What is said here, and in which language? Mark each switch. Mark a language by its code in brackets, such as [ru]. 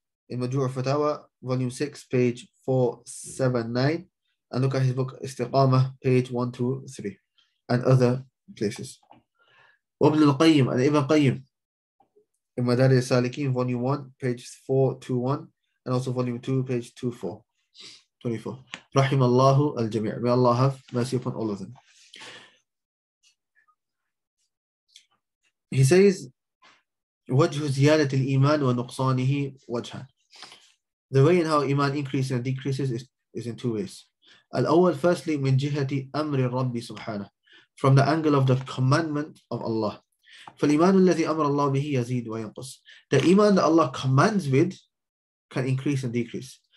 [en] In Majmu' Fatawa, volume 6, page 479, and look at his book Istiqamah, page 123, and other places. Ibn al-Qayyim, and Ibn Qayyim, in Madaris al-Salikin, volume 1, page 421, and also volume 2, page 24. [ar] Rahimallahu al-Jami'. [en] May Allah have mercy upon all of them. He says, [ar] وَجْهُ زِيَادَةِ الْإِيمَانِ وَنُقْصَانِهِ وَجْهًا. [en] The way in how Iman increases and decreases is in two ways. Al-awwal, firstly, [ar] min jihati amri rabbi subhanahu, [en] from the angle of the commandment of Allah. [ar] فَالْإِيمَانُ الَّذِي أَمْرَ اللَّهُ بِهِ يَزِيدُ وَيَنْقُصُ. [en] The Iman that Allah commands with can increase and decrease.